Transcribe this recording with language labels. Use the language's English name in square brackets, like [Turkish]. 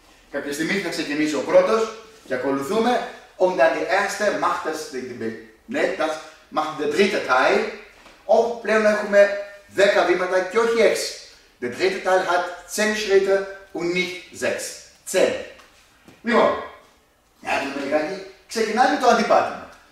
[Greek] Κάποια στιγμή θα ξεκινήσει ο πρώτος και ακολουθούμε. [German] Und dann die erste macht das, ne, das macht der dritte Teil. [Greek] Όπου πλέον έχουμε 10 βήματα και όχι 6. [German] Der dritte Teil hat 10 Schritte und nicht 6. 10. [Greek] Λοιπόν, για να δούμε λιγάκι, ξεκινάμε το αντιπάτημα.